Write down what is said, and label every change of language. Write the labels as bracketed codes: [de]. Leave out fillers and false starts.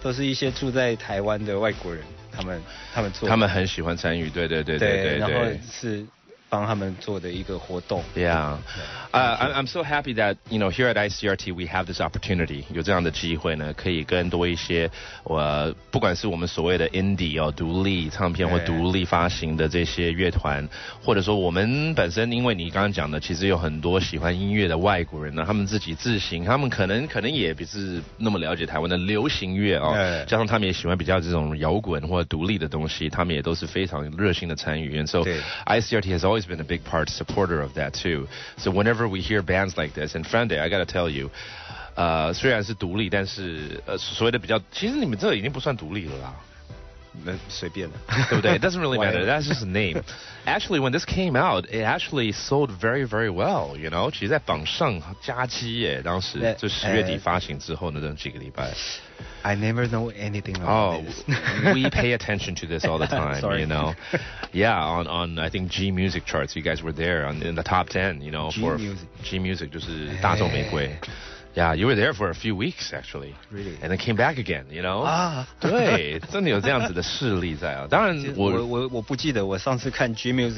[zh] 那天是因为这个网站其实它是一直在帮很多台湾的乐团做报道的一个网站，那是都是一些住在台湾的外国人。他们做，他们很喜欢参与，对对对，然后是帮他们做的一个活动。 [en] Yeah, I'm so happy that you know here at ICRT we have this opportunity. [zh] 有这样的机会呢，可以跟多一些，不管是我们所谓的 indie 哦，独立唱片或独立发行的这些乐团，或者说我们本身，因为你刚刚讲的，其实有很多喜欢音乐的外国人呢，他们自己自行，他们可能也不是那么了解台湾的流行乐哦，加上他们也喜欢比较这种摇滚或独立的东西。他们也都是非常热心的参与， [en] and so ICRT has always been a big part supporter of that too. So whenever we hear bands like this, and Frande, I gotta tell you, [zh] 虽然是独立，但是所谓的比较，其实你们这已经不算独立了啦，那随便了，对不对？ [en] It doesn't really matter. That's just a name. Actually, when this came out, it actually sold very, very well. You know, [zh] 其实在榜上加鸡耶，当时就十月底发行之后呢，那几个礼拜。 [en] I never know anything about this. We pay attention to this all the time, you know. Yeah, on I think G Music charts, you guys were there in the top 10, you know. G Music [zh] 就是大众玫瑰. [en] Yeah, you were there for a few weeks, actually. Really? And then came back again, you know? [zh] 啊，对，真的有这样子的势力在啊。当然，我不记得我上次看 G